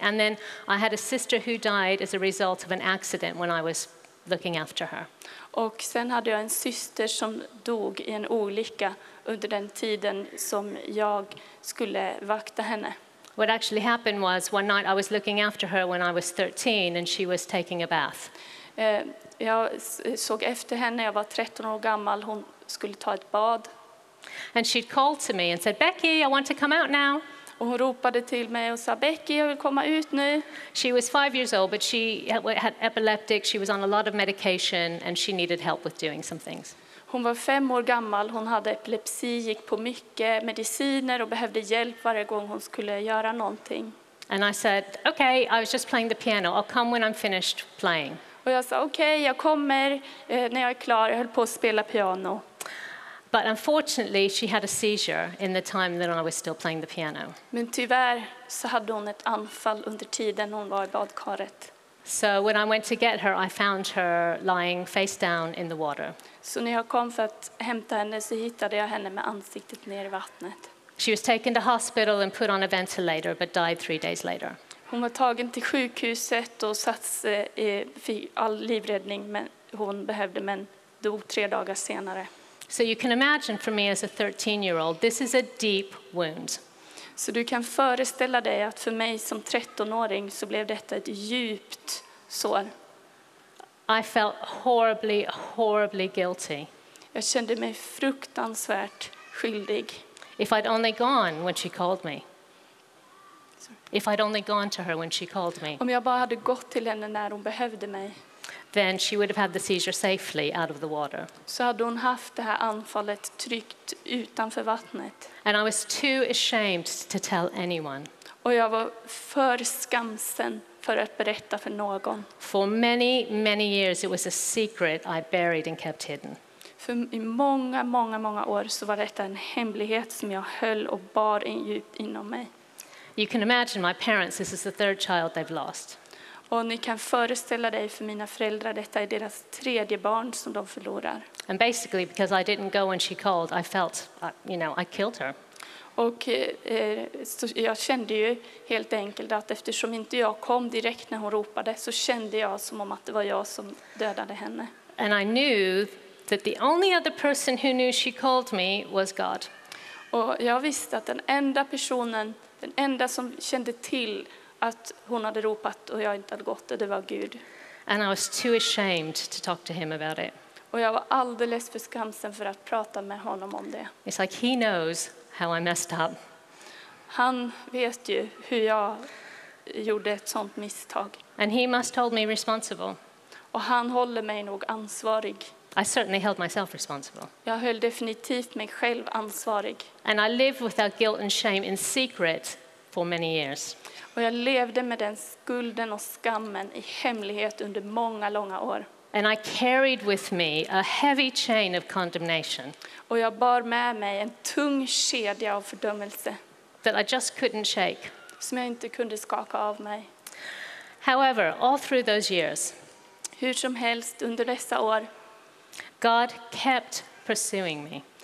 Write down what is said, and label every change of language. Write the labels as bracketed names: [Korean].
[English] And then I had a sister who died as a result of an accident when I was looking after her. [Swedish] Och sen hade jag en syster som dog I en olycka under den tiden som jag skulle vakta henne. [English] What actually happened was one night I was looking after her when I was 13 and she was taking a bath. [Swedish] Jag såg efter henne när jag var 13 år gammal. Hon skulle ta ett bad. [English] And she called to me and said, Becky, I want to come out now. [Swedish] Och hon ropade till mig och sa, Becky, jag vill komma ut nu. [English] She was 5 years old, but she had epileptic. She was on a lot of medication and she needed help with doing some things. [Swedish] Hon var 5 år gammal. Hon hade epilepsi, gick på mycket mediciner och behövde hjälp varje gång hon skulle göra någonting. [English] And I said, okay, I was just playing the piano. I'll come when I'm finished playing. [Swedish] Och jag sa okej, jag kommer när jag är klar. Jag höll på att spela piano. [English] But unfortunately, she had a seizure in the time that I was still playing the piano. [Swedish] Men tyvärr så hade hon ett anfall under tiden hon var i badkaret. [English] So when I went to get her, I found her lying face down in the water. [Swedish] Så när jag kom för att hämta henne så hittade jag henne med ansiktet ner i vattnet. [English] She was taken to hospital and put on a ventilator, but died 3 days later. [Swedish] Hon var tagen till sjukhuset och satts i all livräddning, men hon behövde, men dog 3 dagar senare. [English] So you can imagine for me as a 13-year-old, this is a deep wound. [Swedish] Så du kan föreställa dig att för mig som 13-åring så blev detta ett djupt sår. [English] I felt horribly, horribly guilty. [Swedish] Jag kände mig fruktansvärt skyldig. [English] If I'd only gone when she called me. If I'd only gone to her when she called me. [Swedish] Om jag bara hade gått till henne när hon behövde mig. [English] Then she would have had the seizure safely out of the water. [Swedish] Så hade hon haft det här anfallet tryggt utanför vattnet. [English] And I was too ashamed to tell anyone. [Swedish] Och jag var för skamsen för att berätta för någon. [English] For many, many years it was a secret I buried and kept hidden. [Swedish] För i många, många, många år så var detta en hemlighet som jag höll och bar in djupt inom mig. [English] You can imagine my parents, this is the third child they've lost. [Swedish] Och ni kan föreställa dig för mina föräldrar, detta är deras tredje barn som de förlorar. [English] And basically because I didn't go when she called, I felt, you know, I killed her. [Swedish] Och jag kände ju helt enkelt att eftersom inte jag kom direkt när hon ropade, så kände jag som om att det var jag som dödade henne. [English] And I knew that the only other person who knew she called me was God. [Swedish] Och jag visste att den enda personen, den enda som kände till att hon hade ropat och jag inte hade gått, det var Gud. [English] And I was too ashamed to talk to him about it. [Swedish] Och jag var alldeles för skamsen för att prata med honom om det. [English] It's like he knows how I messed up. [Swedish] Han vet ju hur jag gjorde ett sånt misstag. [English] And he must hold me responsible. [Swedish] Och han håller mig nog ansvarig. [English] I certainly held myself responsible. [Swedish] Jag höll definitivt mig själv ansvarig. [English] And I lived without guilt and shame in secret for many years. [Swedish] Och jag levde med den skulden och skammen i hemlighet under många långa år. [English] And I carried with me a heavy chain of condemnation. [Swedish] Och jag bar med mig en tung kedja av fördömelse. [English] That I just couldn't shake. [Swedish] Som jag inte kunde skaka av mig. [English] However, all through those years. [Swedish] Hur som helst under dessa år. [English] God kept pursuing me.